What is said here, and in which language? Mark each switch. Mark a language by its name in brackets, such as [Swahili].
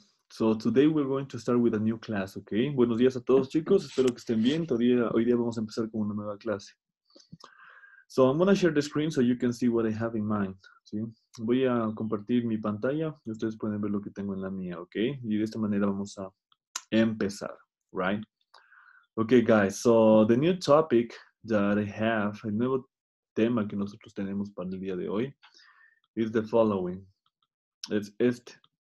[English] So today we're going to start with a new class, okay? [Spanish] Buenos días a todos, chicos. Espero que estén bien. Hoy día vamos a empezar con una nueva clase. [English] So I'm going to share the screen so you can see what I have in mind, ¿sí? [Spanish] Voy a compartir mi pantalla y ustedes pueden ver lo que tengo en la mía, okay? Y de esta manera vamos a empezar, right? [English] Okay, guys. So the new topic that I have, [Spanish] el nuevo tema que nosotros tenemos para el día de hoy, [English] is the following. It's [Spanish] este.